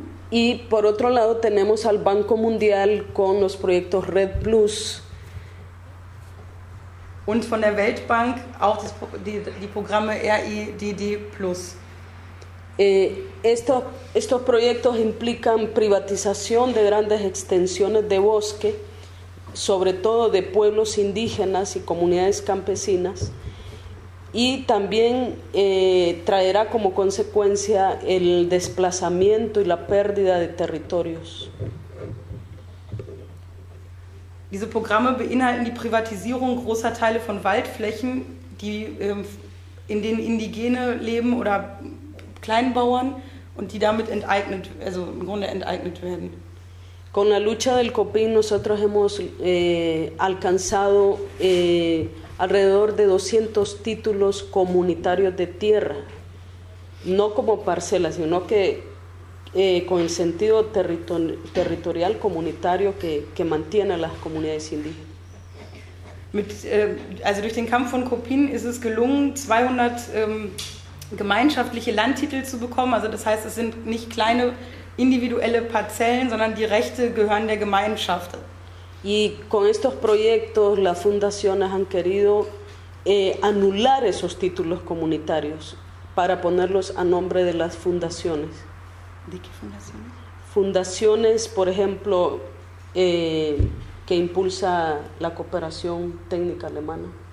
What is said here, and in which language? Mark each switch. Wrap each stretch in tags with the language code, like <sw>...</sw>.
<es>Y por otro lado tenemos al Banco Mundial con los proyectos RED Plus.</es> <de>Und von der Weltbank auch das, die Programme REDD Plus.</de> <es>Estos proyectos implican privatización de grandes extensiones de bosque, sobre todo de pueblos indígenas y comunidades campesinas, y también traerá como consecuencia el desplazamiento y la pérdida de territorios.</es> <de>Diese Programme beinhalten die Privatisierung großer Teile von Waldflächen, die in denen Indigene leben oder Kleinbauern und die damit enteignet, also im Grunde enteignet werden.</de> <es>Con la lucha del COPIN nosotros hemos alcanzado alrededor de 200 títulos comunitarios de tierra, no como parcelas, sino que con el sentido territorial comunitario que mantiene las comunidades indígenas.</es> <de>Also durch den Kampf von COPIN ist es gelungen, 200 gemeinschaftliche Landtitel zu bekommen, also das heißt, es sind nicht kleine individuelle Parzellen, sondern die Rechte gehören der Gemeinschaft.</de> <es>Y con estos proyectos las fundaciones han querido anular esos títulos comunitarios para ponerlos a nombre de las fundaciones. ¿De qué fundaciones? Fundaciones, por ejemplo, que impulsa la cooperación técnica alemana.</es>